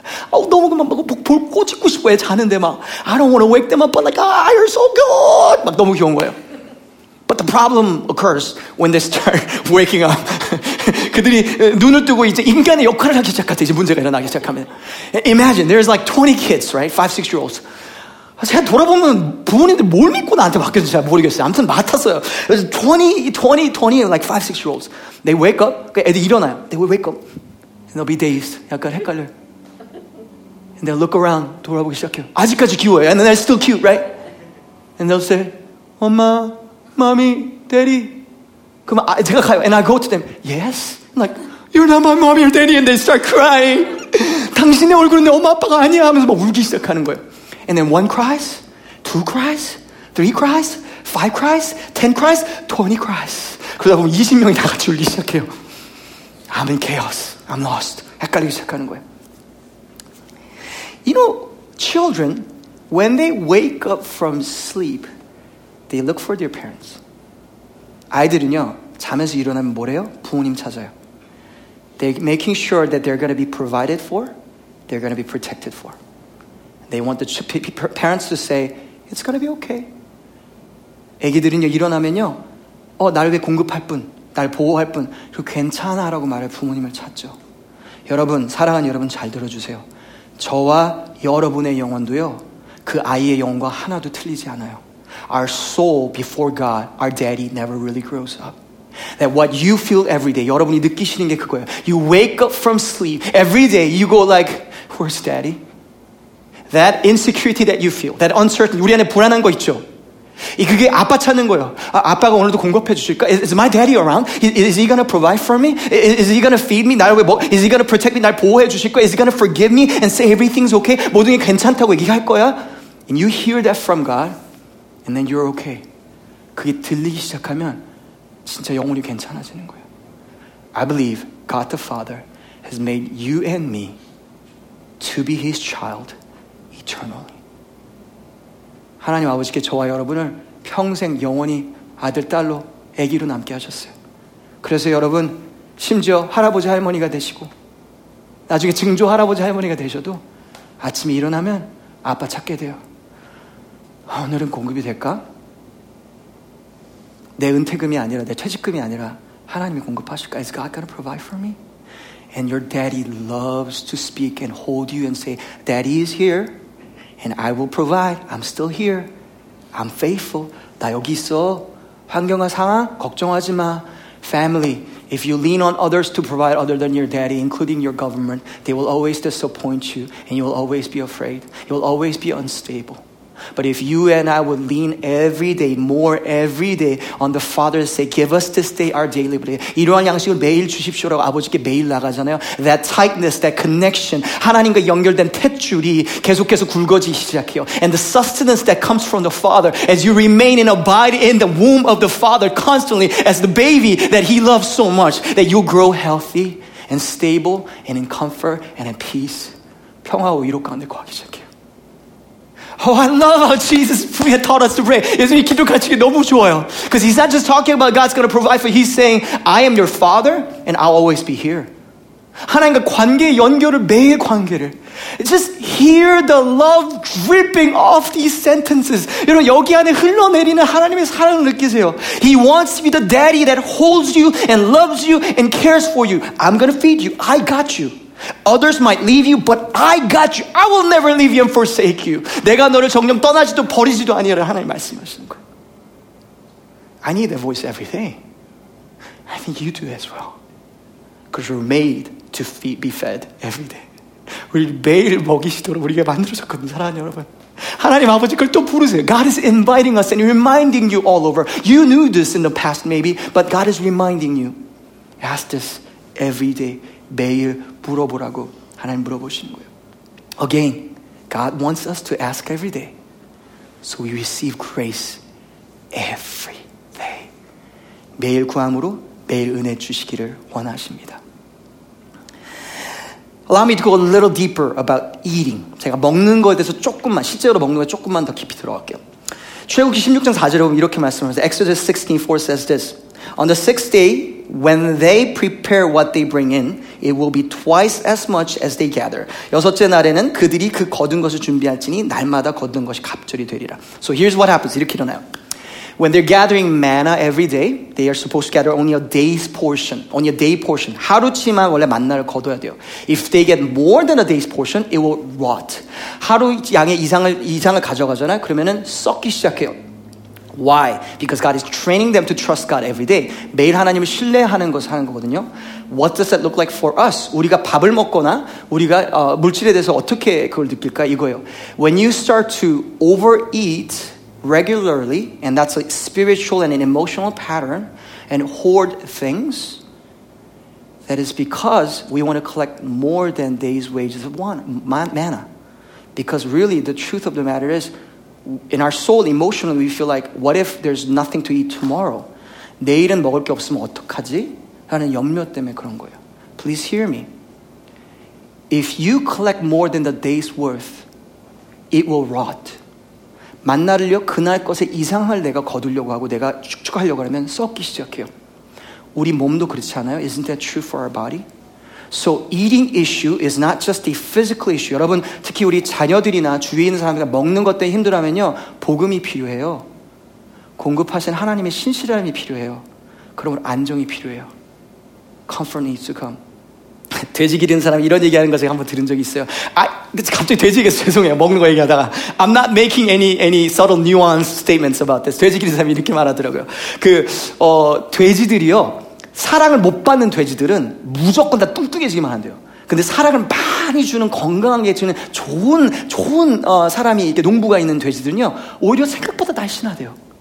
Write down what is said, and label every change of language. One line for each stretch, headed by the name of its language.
Korean: 너무 그만 막 볼 꽂히고 싶어요. 자는데 막
English: I don't want to wake them up but like ah you're so good
Korean: 막 너무 귀여운 거예요.
English: But the problem occurs when they start waking up.
Korean: 그들이 눈을 뜨고 이제 인간의 역할을 하기 시작하죠. 이제 문제가 일어나기 시작하면
English: imagine there's like 20 kids right 5, 6-year-olds.
Korean: 제가 돌아보면 부모님들 뭘 믿고 나한테 맡겼는지 잘 모르겠어요. 아무튼 맡았어요. 그래서
English: 20 like 5, 6-year-olds they wake up.
Korean: 그 애들 일어나요.
English: They will wake up and they'll be dazed.
Korean: 약간 헷갈려.
English: And they'll look around,
Korean: 돌아보기 시작해요. 아직까지 귀여워요.
English: And they're still cute, right? And they'll say,
Korean: 엄마, 마미, 데디. 그러면 제가 가요.
English: And I go to them, yes? I'm like, you're not my mommy or daddy. And they start crying.
Korean: 당신의 얼굴은 내 엄마, 아빠가 아니야. 하면서 막 울기 시작하는 거예요.
English: And then one cries, two cries, three cries, five cries, 10 cries, 20 cries.
Korean: 그러다 보면 20명이 다 같이 울기 시작해요.
English: I'm in chaos. I'm lost.
Korean: 헷갈리기 시작하는 거예요.
English: You know, children, when they wake up from sleep, they look for their parents.
Korean: 아이들은요, 잠에서 일어나면 뭐래요? 부모님 찾아요.
English: They're making sure that they're going to be provided for, they're going to be protected for. They want the parents to say, it's going to be okay.
Korean: 애기들은요, 일어나면요, 나를 위해 공급할 분, 나를 보호할 분, 그리고 괜찮아라고 말해 부모님을 찾죠. 여러분, 사랑하는 여러분 잘 들어주세요. 저와 여러분의 영혼도요, 그 아이의 영혼과 하나도 틀리지 않아요.
English: Our soul before God, our daddy never really grows up. That what you feel every day,
Korean: 여러분이 느끼시는 게 그거예요.
English: You wake up from sleep every day, you go like, where's daddy? That insecurity that you feel, that uncertainty,
Korean: 우리 안에 불안한 거 있죠? 그게 아빠 찾는 거예요. 아빠가 오늘도 공급해 주실까?
English: Is my daddy around? Is he gonna provide for me? Is he gonna feed me?
Korean: 나를 왜 먹?
English: Is he gonna protect me?
Korean: 날 보호해 주실 거야?
English: Is he gonna forgive me and say everything's okay?
Korean: 모든 게 괜찮다고 얘기할 거야?
English: And you hear that from God, and then you're okay.
Korean: 그게 들리기 시작하면 진짜 영혼이 괜찮아지는 거예요.
English: I believe God the Father has made you and me to be His child eternally.
Korean: 하나님 아버지께 저와 여러분을 평생 영원히 아들, 딸로, 아기로 남게 하셨어요. 그래서 여러분 심지어 할아버지, 할머니가 되시고 나중에 증조 할아버지, 할머니가 되셔도 아침에 일어나면 아빠 찾게 돼요. 오늘은 공급이 될까? 내 은퇴금이 아니라, 내 퇴직금이 아니라 하나님이 공급하실까?
English: Is God going to provide for me? And your daddy loves to speak and hold you and say, Daddy is here. And I will provide. I'm still here. I'm faithful.
Korean: 나 여기 있어. 환경과 상황 걱정하지 마.
English: Family, if you lean on others to provide other than your daddy, including your government, they will always disappoint you and you will always be afraid. You will always be unstable. But if you and I would lean every day, more every day on the Father to say, give us this day our daily bread.
Korean: 이러한 양식을 매일 주십시오라고 아버지께 매일 나가잖아요.
English: That tightness, that connection,
Korean: 하나님과 연결된 탯줄이 계속해서 굵어지기 시작해요.
English: And the sustenance that comes from the Father as you remain and abide in the womb of the Father constantly as the baby that he loves so much, that you'll grow healthy and stable and in comfort and in peace.
Korean: 평화와 위로 가운데 구하기 시작해요.
English: Oh, I love how Jesus taught us to pray.
Korean: 예수님 기도할 때 너무 좋아요.
English: Because he's not just talking about God's going to provide for you. He's saying, I am your Father, and I'll always be here.
Korean: 하나님과 관계의 연결을, 매일 관계를.
English: Just hear the love dripping off these sentences.
Korean: 여러분, 여기 안에 흘러내리는 하나님의 사랑을 느끼세요.
English: He wants to be the daddy that holds you and loves you and cares for you. I'm going to feed you. I got you. Others might leave you, but I got you. I will never leave you and forsake you.
Korean: 내가 너를 정녕 떠나지도 버리지도 아니하리라 하나님 말씀하시는 거예요.
English: I need that voice every day. I think you do as well. Because we're made to feed, be fed every day.
Korean: 우리 매일 먹이시도록 우리가 만들어졌거든요, 사랑하는 여러분. 하나님 아버지 그걸 또 부르세요.
English: God is inviting us and reminding you all over. You knew this in the past maybe, but God is reminding you. Ask this every day.
Korean: 매일 물어보라고 하나님 물어보시는 거예요.
English: Again, God wants us to ask every day so we receive grace every day.
Korean: 매일 구함으로 매일 은혜 주시기를 원하십니다.
English: Allow me to go a little deeper about eating.
Korean: 제가 먹는 거에 대해서 조금만, 실제로 먹는 거에 조금만 더 깊이 들어갈게요. 출애굽기 16장 4절에 보면 이렇게 말씀하세요.
English: Exodus 16:4 says this. On the sixth day, when they prepare what they bring in, it will be twice as much as they gather.
Korean: 여섯째 날에는 그들이 그 거둔 것을 준비할지니 날마다 거둔 것이 갑절이 되리라.
English: So here's what happens.
Korean: 이렇게 일어나요.
English: When they're gathering manna every day, they are supposed to gather only a day's portion. Only a day portion.
Korean: 하루치만 원래 만나를 거둬야 돼요.
English: If they get more than a day's portion, it will rot.
Korean: 하루 양의 이상을 가져가잖아요. 그러면은 썩기 시작해요.
English: Why? Because God is training them to trust God every day.
Korean: 매일 하나님을 신뢰하는 것을 하는 거거든요.
English: What does that look like for us?
Korean: 우리가 밥을 먹거나 우리가 물질에 대해서 어떻게 그걸 느낄까? 이거예요.
English: When you start to overeat regularly, and that's a spiritual and an emotional pattern, and hoard things, that is because we want to collect more than day's wages of manna. Because really, the truth of the matter is, in our soul, emotionally, we feel like, what if there's nothing to eat tomorrow?
Korean: 내일은 먹을 게 없으면 어떡하지? 하는 염려 때문에 그런 거예요.
English: Please hear me. If you collect more than the day's worth, it will rot.
Korean: 만나를요, 그날 것에 이상할 내가 거두려고 하고 내가 축축하려고 하면 썩기 시작해요. 우리 몸도 그렇지 않아요?
English: Isn't that true for our body? So eating issue is not just a physical issue.
Korean: 여러분, 특히 우리 자녀들이나 주위에 있는 사람들 먹는 것 때문에 힘들어하면요, 복음이 필요해요. 공급하신 하나님의 신실함이 필요해요. 그러므로 안정이 필요해요. Comfort needs to come. 돼지 기르는 사람이 이런 얘기하는 것을 한번 들은 적이 있어요. 아, 갑자기 돼지겠어요. 죄송해요. 먹는 거 얘기하다가.
English: I'm not making any subtle nuanced statements about this.
Korean: 돼지 기르는 사람이 이렇게 말하더라고요. 돼지들이요. 사랑을 못 받는 돼지들은 무조건 다 뚱뚱해지기만 한대요. 근데 사랑을 많이 주는 건강하게 주는 좋은 사람이 이렇게 농부가 있는 돼지들은요 오히려 생각보다 날씬하대요.